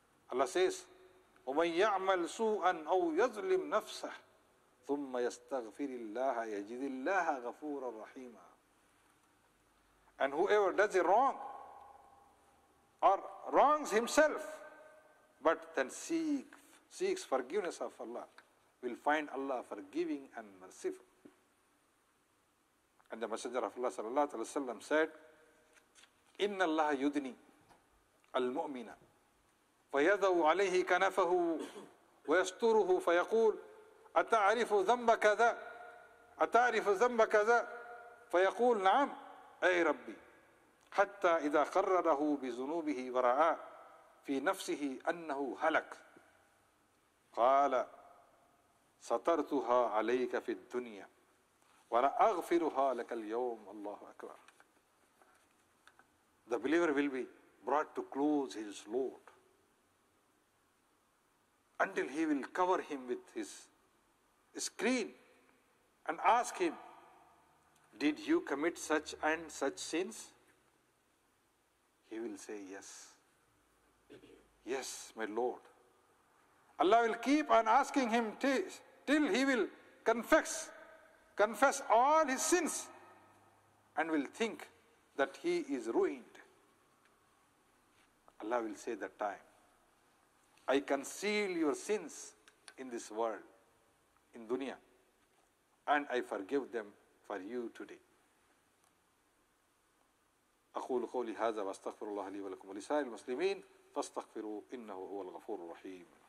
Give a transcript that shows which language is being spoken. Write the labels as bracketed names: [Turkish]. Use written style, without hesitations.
[English] Allah says, [Arabic] وَمَنْ يَعْمَلْ سُوءًا أَوْ يَظْلِمْ نَفْسَهُ ثُمَّ يَسْتَغْفِرِ اللَّهَ يَجِدِ اللَّهَ غَفُورًا رَحِيمًا. [English] And whoever does it wrong or wrongs himself but then seeks forgiveness of Allah will find Allah forgiving and merciful. And the Messenger of Allah sallallahu alaihi wasallam said, [Arabic] إِنَّ اللَّهَ يُدْنِي المؤمن فيضع عليه كنفه ويستره فيقول أتعرف ذنب كذا أتعرف ذنب كذا فيقول نعم أي ربي حتى إذا قرره بذنوبه ورآه في نفسه أنه هلك قال سترتها عليك في الدنيا ولأغفرها لك اليوم. الله أكبر. [English] The believer will be brought to close his Lord until he will cover him with his screen and ask him, did you commit such and such sins? He will say, yes. Yes, my Lord. Allah will keep on asking him till he will confess all his sins and will think that he is ruined. Allah will say that time, I conceal your sins in this world, in dunya, and I forgive them for you today. [Arabic] أقول قولي هذا واستغفر الله لي ولكم ولسائر المسلمين فاستغفروا إنه هو الغفور الرحيم.